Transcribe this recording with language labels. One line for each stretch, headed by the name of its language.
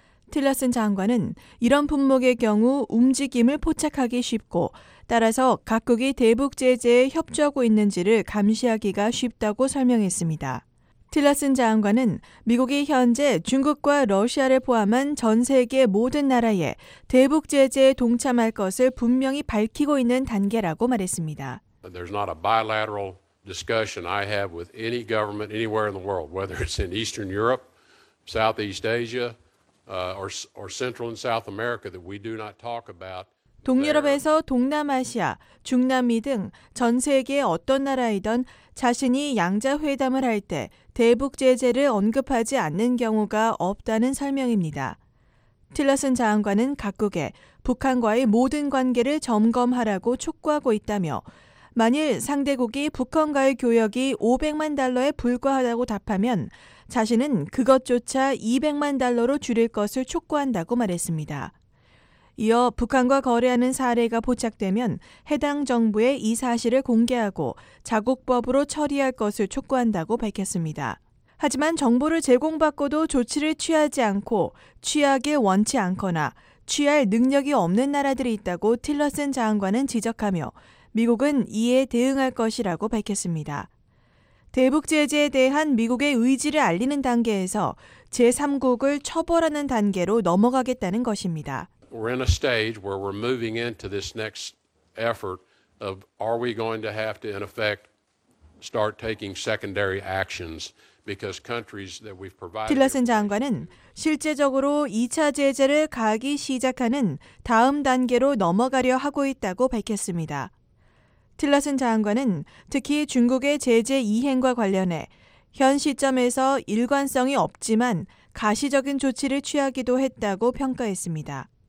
Korean: 틸러슨 장관은 이런 품목의 경우 움직임을 포착하기 쉽고 따라서 각국이 대북 제재에 협조하고 있는지를 감시하기가 쉽다고 설명했습니다. 틸러슨 장관은 미국이 현재 중국과 러시아를 포함한 전 세계 모든 나라에 대북 제재에 동참할 것을 분명히 밝히고 있는 단계라고 말했습니다.
English: There's not a bilateral discussion I have with any government anywhere in the world, whether it's in Eastern Europe, Southeast Asia, or Central and South America that we do not talk about.
Korean: 동유럽에서 동남아시아, 중남미 등 전 세계 어떤 나라이든 자신이 양자회담을 할 때 대북 제재를 언급하지 않는 경우가 없다는 설명입니다. 틸러슨 장관은 각국에 북한과의 모든 관계를 점검하라고 촉구하고 있다며 만일 상대국이 북한과의 교역이 500만 달러에 불과하다고 답하면 자신은 그것조차 200만 달러로 줄일 것을 촉구한다고 말했습니다. 이어 북한과 거래하는 사례가 포착되면 해당 정부에 이 사실을 공개하고 자국법으로 처리할 것을 촉구한다고 밝혔습니다. 하지만 정보를 제공받고도 조치를 취하지 않고 취하길 원치 않거나 취할 능력이 없는 나라들이 있다고 틸러슨 장관은 지적하며 미국은 이에 대응할 것이라고 밝혔습니다. 대북 제재에 대한 미국의 의지를 알리는 단계에서 제3국을 처벌하는 단계로 넘어가겠다는 것입니다.
English: We're in a stage where we're moving into this next effort of are we going to have to in effect start taking secondary actions because countries that we've provided.
Korean: 틸러슨 장관은 실제적으로 2차 제재를 가하기 시작하는 다음 단계로 넘어가려 하고 있다고 밝혔습니다. 틸러슨 장관은 특히 중국의 제재 이행과 관련해 현 시점에서 일관성이 없지만 가시적인 조치를 취하기도 했다고 평가했습니다.